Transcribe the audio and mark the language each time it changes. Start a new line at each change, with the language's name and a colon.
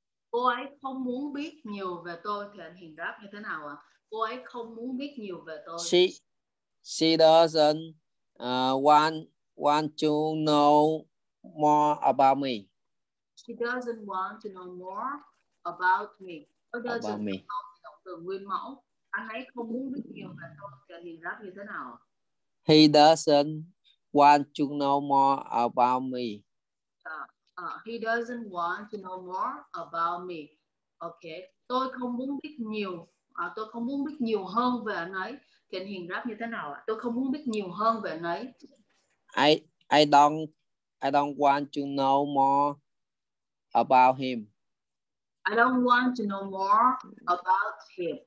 Vietnamese: Cô ấy không muốn biết nhiều về tôi thì anh hình đáp như thế nào ạ? Cô ấy không muốn biết nhiều về tôi.
English: She doesn't want to know more about me. She doesn't want to know more about me. About me.
Vietnamese: Anh ấy không muốn biết nhiều về tôi thì hình đáp như thế nào?
English: He doesn't want to know more about me. He doesn't want to know more about me. Okay.
Vietnamese: Tôi không muốn biết nhiều. Tôi không muốn biết nhiều hơn về anh ấy. Thì anh hình đáp như thế nào? Tôi không muốn biết nhiều hơn về anh ấy.
English: I don't want to know more about him. I don't want to know more about him.